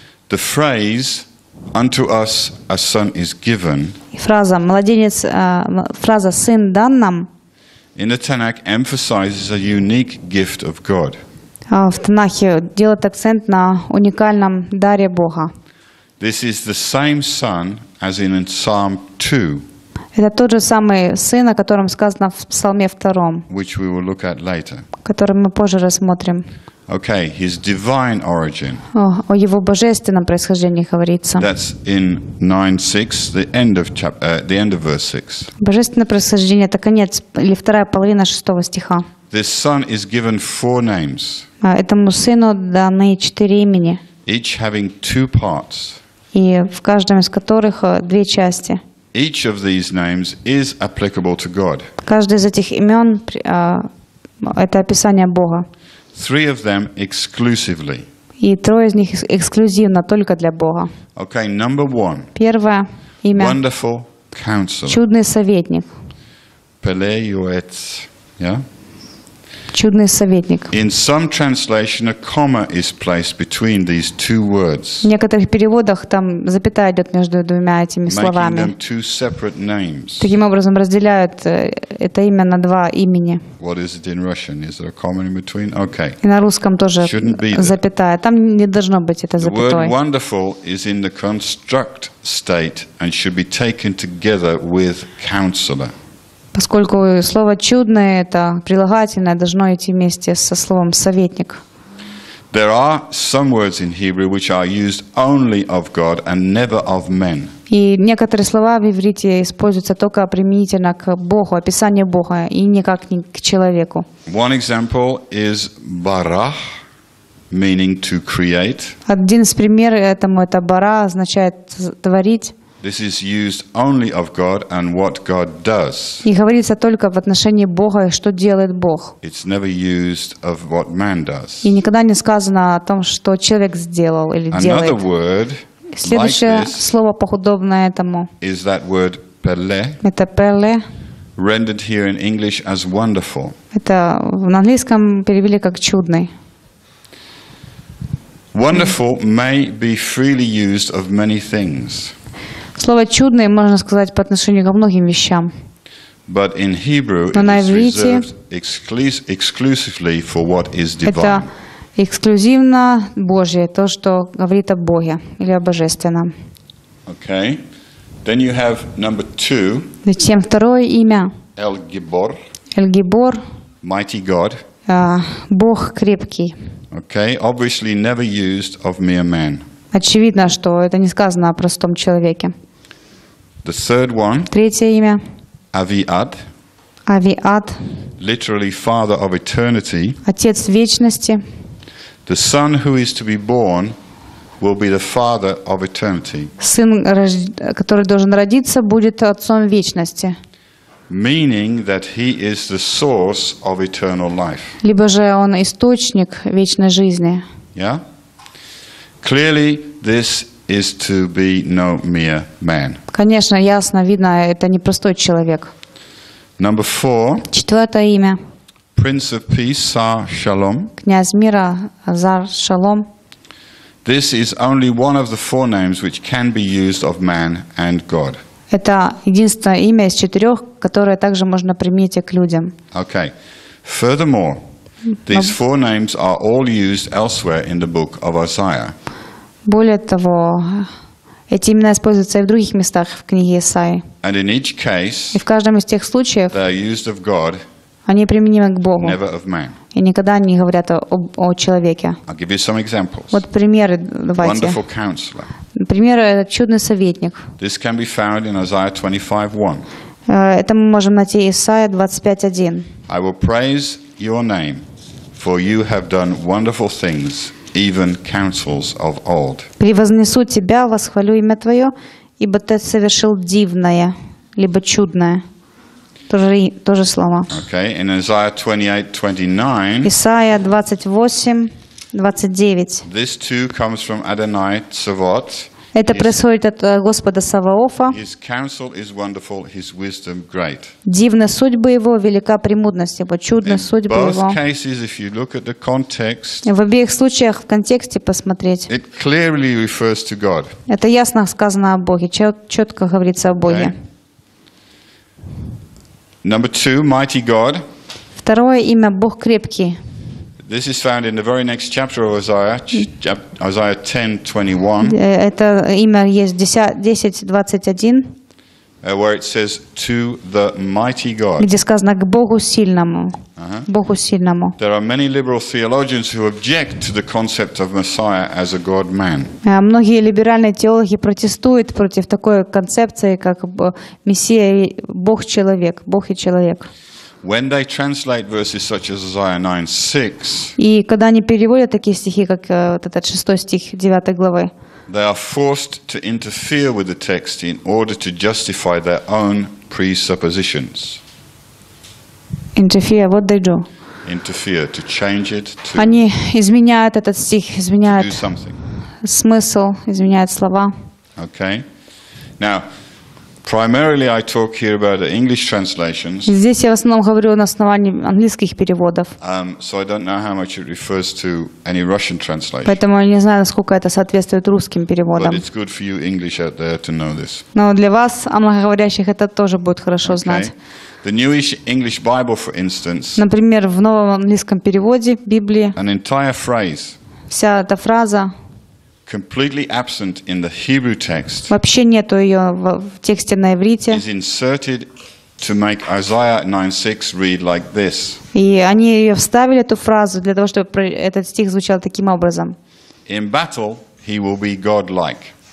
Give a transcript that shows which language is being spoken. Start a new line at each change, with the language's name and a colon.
English: The phrase, unto us a son is given,
Russian: фраза, младенец, фраза «сын дан нам»
English: in the Tanakh emphasizes a unique gift of God.
Russian: в Танахе делает акцент на уникальном даре Бога.
English: This is the same son as in Psalm 2.
Russian: Это тот же самый сын, о котором сказано в Псалме 2.
English: Which we will look at later.
Russian: Который мы позже рассмотрим.
English: Okay, his divine origin.
Russian: О его божественном происхождении говорится.
English: That's in 9:6, the end of chapter, the end of verse 6.
Russian: Божественное происхождение — это конец или вторая половина 6 стиха.
English: This son is given four names.
Russian: Этому сыну даны 4 имени.
English: Each having two parts.
Russian: И в каждом из которых две части.
English: Each of these names is applicable to God.
Russian: Каждый из этих имен — это описание Бога.
English: Three of them exclusively.
Russian: И трое из них эксклюзивно, только для Бога.
English: Okay, number one.
Russian: Первое имя.
English: Wonderful Counselor.
Russian: Чудный советник.
English: Пелеюэц. Yeah?
Russian: Чудный советник.
English: In some translation, a comma is placed between these two words.
Russian: В некоторых переводах там запятая идет между двумя этими словами.
English: Making them two separate names.
Russian: Таким образом разделяют это имя на два имени.
English: What is it in Russian? Is there a comma in between? Okay.
Russian: И на русском тоже запятая. Там не должно быть это запятой.
English: The word wonderful is in the construct state and should be taken together with counselor.
Russian: Поскольку слово «чудное» — это прилагательное, должно идти вместе со словом «советник».
English: There are some words in Hebrew which are used only of God and never of men.
Russian: И некоторые слова в иврите используются только применительно к Богу, описание Бога, и никак не к человеку.
English: One example is «барах», meaning to create.
Russian: Один из примеров этому — это «бара», означает «творить».
English: This is used only of God and what God does.
Russian: И говорится только в отношении Бога, что делает Бог.
English: It's never used of what man does.
Russian: И никогда не сказано о том, что человек сделал или
English: Another
Russian: делает.
English: Another word.
Russian: Следующее
English: like
Russian: слово, подобное этому.
English: Is that word pele?
Russian: Это pele.
English: Rendered here in English as wonderful.
Russian: Это в английском перевели как чудный.
English: Wonderful may be freely used of many things.
Russian: Слово «чудное» можно сказать по отношению ко многим вещам.
English: But in Hebrew,
Russian: но на иврите это эксклюзивно Божье, то, что говорит о Боге или о Божественном.
English: Okay. Then you have number two,
Russian: затем второе имя.
Hebrew: Эль-Гибор. Эль-Гибор.
English: Mighty God.
Russian: Бог крепкий.
English: Okay. Obviously never used of mere man.
Russian: Очевидно, что это не сказано о простом человеке.
English: The third one,
Russian: третье имя.
Hebrew: Авиад. Авиад.
English: Literally father of eternity.
Russian: Отец вечности.
English: The son who is to be born will be the father of eternity.
Russian: Сын, который должен родиться, будет отцом вечности.
English: Meaning that he is the source of eternal life.
Russian: Либо же он источник вечной жизни.
English: Yeah? Clearly this is to be no mere man.
Russian: Конечно, ясно, видно, это не простой человек.
English: Number four.
Russian: Четвертое имя.
English: Prince of Peace, Sar Shalom.
Russian: Князь мира, Зар Шалом.
English: This is only one of the four names which can be used of man and God.
Russian: Это единственное имя из четырех, которое также можно применить к людям.
English: Okay. Furthermore, these four names are all used elsewhere in the book of Isaiah.
Russian: Более того, эти имена используются и в других местах в книге Исаии.
English: And in each case,
Russian: и в каждом из тех случаев
English: they are used of God,
Russian: они применимы к Богу,
English: never of man.
Russian: И никогда не говорят о человеке.
English: I'll give you some examples.
Russian: Вот примеры давайте.
English: Wonderful counselor.
Russian: Например, это чудный советник.
English: This can be found in Isaiah 25:1.
Russian: Это мы можем найти Исаия 25:1.
English: I will praise your name, for you have done wonderful things. Even counsels of old.
Russian: Превознесу тебя, восхвалю имя твое, ибо ты совершил дивное, либо чудное. То же слово.
English: Okay, in Isaiah 28:29.
Russian: Исаия 28:29.
English: This too comes from Adonai Tzavot.
Russian: Это происходит от Господа Саваофа.
English: His counsel is wonderful, his wisdom great.
Russian: Дивна судьба его, велика премудрость его, чудна судьба его.
English: In both cases, if you look at the context,
Russian: в обеих случаях в контексте посмотреть,
English: it clearly refers to God.
Russian: Это ясно сказано о Боге, четко говорится о Боге.
English: Number two, mighty God.
Russian: Второе имя — Бог крепкий.
English: This is found in the very next chapter of Isaiah 10:21.
Russian: Это имя есть 10:21.
English: Where it says to the mighty God.
Russian: Где сказано к Богу сильному. Богу сильному.
English: There are many liberal theologians who object to the concept of Messiah as a God-man.
Russian: Многие либеральные теологи протестуют против такой концепции, как Мессия Бог-человек, Бог и человек.
English: When they translate verses such as Isaiah 9:6,
Russian: и когда они переводят такие стихи, как вот этот шестой стих девятой главы,
English: they are forced to interfere with the text in order to justify their own presuppositions. Interfere, what they do? Interfere, to change it. To,
Russian: они изменяют этот стих, изменяют смысл, изменяют слова.
English: Okay, now. Primarily, I talk here about the English translations.
Russian: Здесь я в основном говорю на основании английских переводов.
English: So I don't know how much it refers to any Russian translation.
Russian: Поэтому я не знаю, насколько это соответствует русским переводам.
English: But it's good for you English out there to know this.
Russian: Но для вас, англоговорящих, это тоже будет хорошо знать.
English: The Newish English Bible, for instance.
Russian: Например, в новом английском переводе Библии.
English: An entire phrase.
Russian: Вся эта фраза.
English: Completely absent in the Hebrew text.
Russian: Вообще нету ее в тексте на иврите.
English: Is inserted to make Isaiah 9:6 read like this.
Russian: И они ее вставили эту фразу для того, чтобы этот стих звучал таким образом.
English: In battle, he will be God-like.